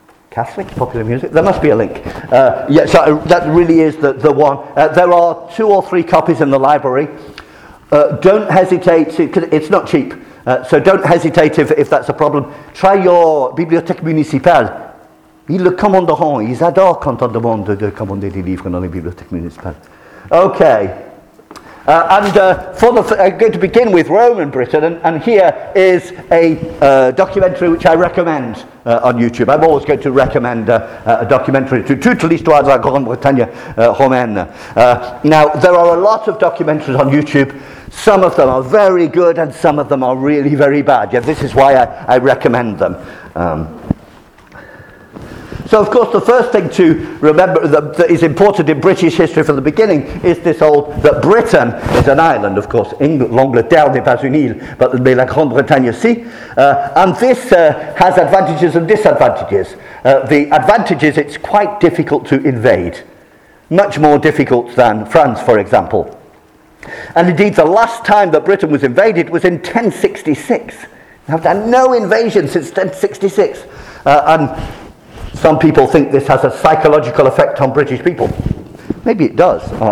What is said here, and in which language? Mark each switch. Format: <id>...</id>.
<en>Catholic popular music? There must be a link. That really is the one. There are two or three copies in the library. Don't hesitate, it's not cheap, so don't hesitate if that's a problem. Try your</en> <fr>bibliothèque municipale. Ils le commanderont, ils adorent quand on demande de commander des livres dans les bibliothèques municipales.</fr> <en>Okay. I'm going to begin with Roman Britain, and here is a documentary which I recommend on YouTube. I'm always going to recommend a documentary, Toute l'histoire de la Grande-Bretagne romaine. Now, there are a lot of documentaries on YouTube. Some of them are very good, and some of them are really very bad. Yeah, this is why I recommend them. So, of course, the first thing to remember that is important in British history from the beginning is this old, that Britain is an island, of course.</en> <fr>L'Angleterre n'est pas une île, but la Grande-Bretagne, si.</fr> <en>And this has advantages and disadvantages. The advantages, it's quite difficult to invade. Much more difficult than France, for example. And indeed, the last time that Britain was invaded was in 1066. We've had no invasion since 1066. And some people think this has a psychological effect on British people. Maybe it does.</en>